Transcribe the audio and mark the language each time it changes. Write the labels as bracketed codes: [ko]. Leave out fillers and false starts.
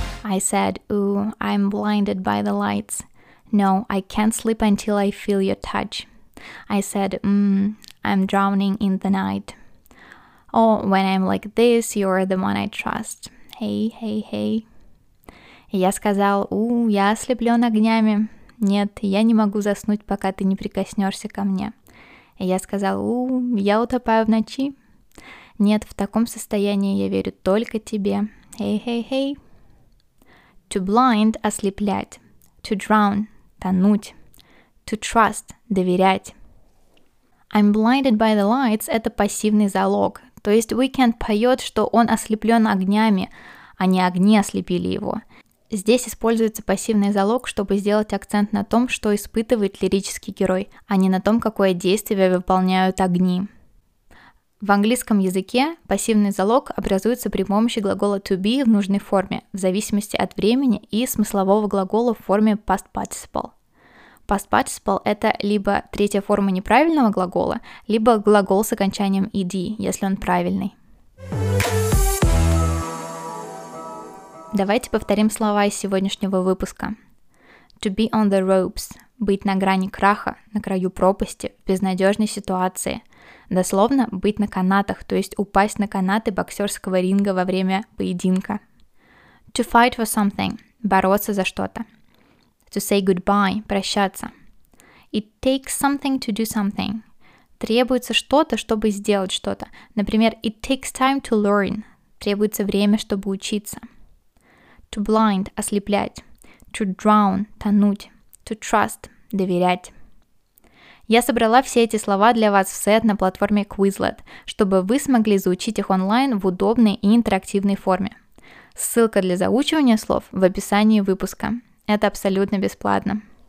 [en] I said, ooh, I'm blinded by the lights. No, I can't sleep until I feel your touch. I said, I'm drowning in the night. Oh, when I'm like this, you're the one I trust. Hey, hey, hey. [ru] И я сказал, я ослеплен огнями. Нет, я не могу заснуть, пока ты не прикоснешься ко мне. И я сказал, я утопаю в ночи. Нет, в таком состоянии я верю только тебе. [en] Hey, hey, hey. To blind – [ru] ослеплять. [en] To drown – [ru] тонуть. [en] To trust – [ru] доверять. [en] I'm blinded by the lights – [ru] это пассивный залог. То есть Weekend поет, что он ослеплен огнями, а не огни ослепили его. Здесь используется пассивный залог, чтобы сделать акцент на том, что испытывает лирический герой, а не на том, какое действие выполняют огни. В английском языке пассивный залог образуется при помощи глагола to be в нужной форме, в зависимости от времени и смыслового глагола в форме past participle. Past participle – это либо третья форма неправильного глагола, либо глагол с окончанием ed, если он правильный. Давайте повторим слова из сегодняшнего выпуска. [en] To be on the ropes [ru] – быть на грани краха, на краю пропасти, в безнадежной ситуации. Дословно, быть на канатах, то есть упасть на канаты боксерского ринга во время поединка. [en] To fight for something – [ru] бороться за что-то. [en] To say goodbye – [ru] прощаться. [en] It takes something to do something – [ru] требуется что-то, чтобы сделать что-то. Например, [en] it takes time to learn [ru] – требуется время, чтобы учиться. [en] To blind – [ru] ослеплять. [en] To drown – [ru] тонуть. [en] To trust – [ru] доверять. Я собрала все эти слова для вас в сет на платформе Quizlet, чтобы вы смогли заучить их онлайн в удобной и интерактивной форме. Ссылка для заучивания слов в описании выпуска. Это абсолютно бесплатно.